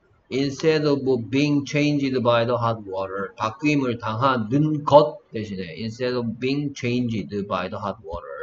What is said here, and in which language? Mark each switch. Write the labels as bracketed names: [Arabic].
[English] Instead of being changed by the hot water. [Korean] 바뀜을 당하는 것 대신에. [English] Instead of being changed by the hot water.